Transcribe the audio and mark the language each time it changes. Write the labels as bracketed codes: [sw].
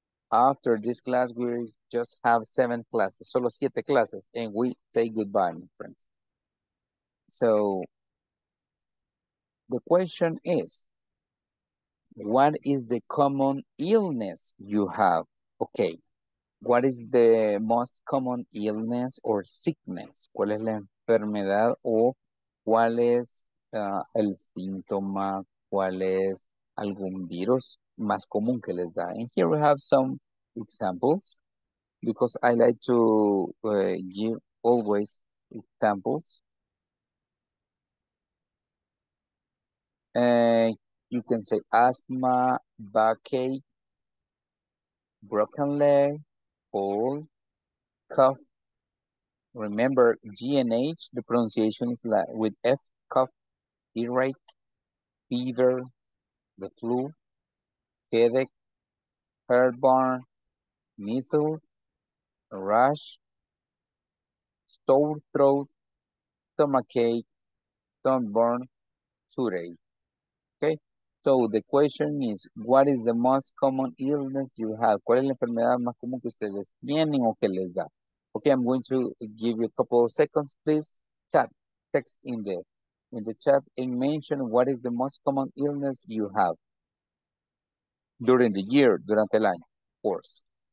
[en] After this class, we just have 7 classes, solo 7 clases, and we say goodbye, my friends. So, the question is, what is the common illness you have? Okay, what is the most common illness or sickness? [es] ¿Cuál es la enfermedad o cuál es el síntoma? ¿Cuál es algún virus más común que les da? [en] And here we have some examples, because I like to give always examples. You can say asthma, backache, broken leg, cold, cough. Remember, G and H, the pronunciation is like with F, cough, earache, fever, the flu, headache, heartburn, measles, rash, sore throat, stomachache, sunburn, toothache. Okay? So the question is, what is the most common illness you have? [es] ¿Cuál es la enfermedad más común que ustedes tienen o que les da? [en] Okay, I'm going to give you a couple of seconds, please. Chat, text in there. In the chat, and mention what is the most common illness you have during the year, durante el año, of course.